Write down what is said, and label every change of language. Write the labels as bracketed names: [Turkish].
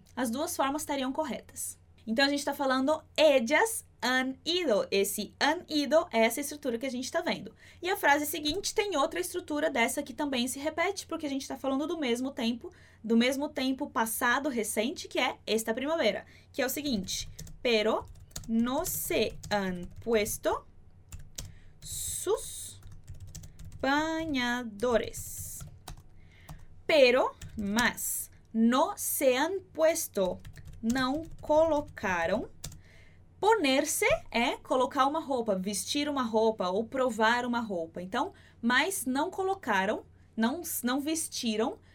[Portuguese] As duas formas estariam corretas. Então, a gente está falando [Spanish] ellas han ido. [Portuguese] Esse han ido é essa estrutura que a gente está vendo. E a frase seguinte tem outra estrutura dessa que também se repete, porque a gente está falando do mesmo tempo passado recente, que é esta primavera, que é o seguinte. [Spanish] Pero no se han puesto sus bañadores. [Portuguese] Pero, mas, [Spanish] no se han puesto, [Portuguese] não colocaram. Poner-se é colocar uma roupa, vestir uma roupa ou provar uma roupa. Então, mas não colocaram, não vestiram.